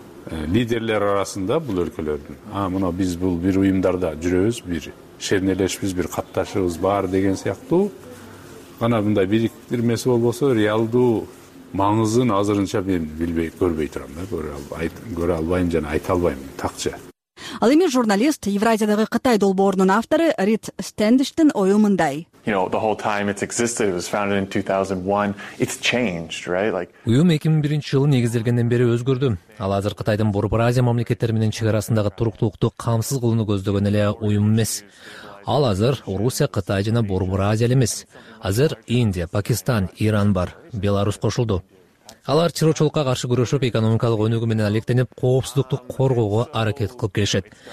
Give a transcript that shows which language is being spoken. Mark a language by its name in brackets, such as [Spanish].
[Kyrgyz] лидерлер арасында бул өлкөлөрдүн. А мына биз бул бир уюмдарда жүрөбүз, бир шернелешпиз, бир катташыбыз бар деген сыяктуу гана мындай бириктирмеси болбосо реалдуу маңызын азырынча мен билбей көрбөй турам да, көрө албайм жана айта албайм такча. Ал эми журналист Евразиядагы Кытай долбоорунун автору Рид Стендиштин ою мындай. [English] You know, the whole time it's existed, it was founded in 2001, it's changed, right? Like [Kyrgyz] уюм 2001 жылы негизделгенден бери өзгөрдү. Ал азыр Кытайдын Борбор Азия мамлекеттери менен чек арасындагы туруктуулукту камсыз кылууну көздөгөн эле уюм эмес. Ал азыр Орусия, Кытай жана Борбор Азия эле эмес. Азыр Индия, Пакистан, Иран бар, Беларусь кошулду. Алар чырчоолукка каршы күрөшүп, экономикалык өнүгүү менен алектенип, коопсуздукту коргоого аракет кылып келишет.